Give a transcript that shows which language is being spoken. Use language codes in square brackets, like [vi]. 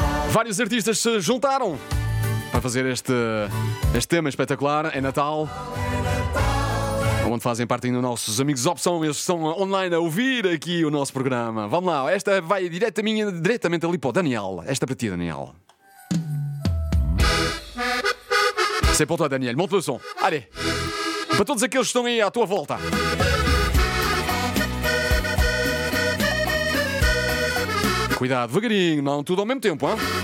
[pt] Vários artistas se juntaram para fazer este tema espetacular. É Natal. Onde fazem parte ainda os nossos amigos opção. Eles estão online a ouvir aqui o nosso programa. Vamos lá, esta vai diretamente ali para o Daniel. Esta é para ti, Daniel. [fr] C'est pour toi, Daniel. Monte le son. Allez. [pt] para todos aqueles que estão aí à tua volta. Cuidado, devagarinho, não tudo ao mesmo tempo, hein?